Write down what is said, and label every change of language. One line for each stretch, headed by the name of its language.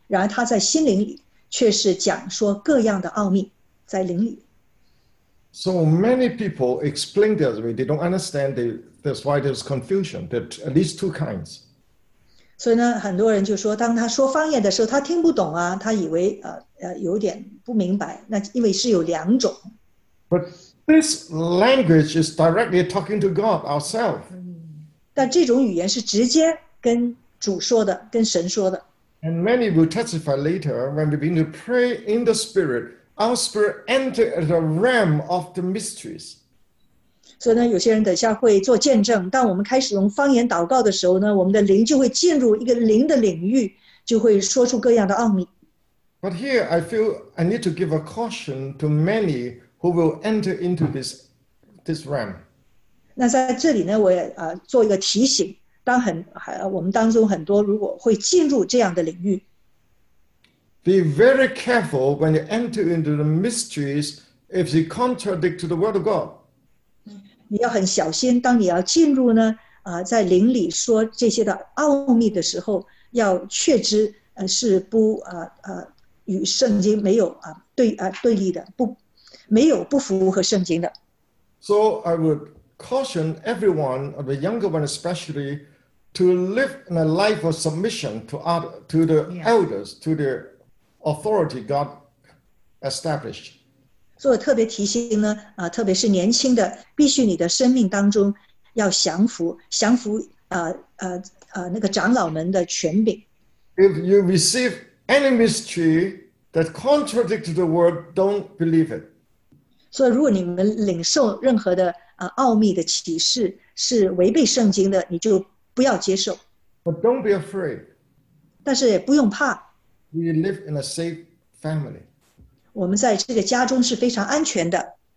Chinese: 然而他在心灵里却是讲说各样的奥秘，在灵里。
English: So many people explain their way. They don't understand. That's why there's confusion. That at least two kinds.
Chinese: 所以呢，很多人就说，当他说方言的时候，他听不懂啊，他以为有点不明白。那因为是有两种。
English: But this language is directly talking to God ourselves.
Chinese: 但这种语言是直接跟主说的，跟神说的。
English: And many will testify later when we begin to pray in the Spirit. Our spirit entered the realm of the mysteries.
Chinese: So, 呢，有些人等下会做见证。当我们开始用方言祷告的时候呢，我们的灵就会进入一个灵的领域，就会说出各样的奥秘。
English: But here, I feel I need to give a caution to many who will enter into this realm.
Chinese: 那在这里呢，我也做一个提醒，当很我们当中很多如果会进入这样的领域。
English: Be very careful when you enter into the mysteries if you contradict the word of God.
Chinese: 你要很小心，当你要进入呢在灵里说这些的奥秘的时候，要确知是不与圣经没有对立的，不没有不符合圣经的。
English: So I would caution everyone, the younger one especially, to live in a life of submission to the elders, to the authority God established.
Chinese: 所以特别提醒呢，特别是年轻的，必须你的生命当中要降服那个长老们的权柄。
English: If you receive any mystery that contradicts the word, don't believe it.
Chinese: 所以如果你们领受任何的奥秘的启示是违背圣经的，你就不要接受。
English: But don't be afraid.
Chinese: 但是也不用怕。
English: We live in a safe family.
Chinese: 我们在这个家中是非常安全的。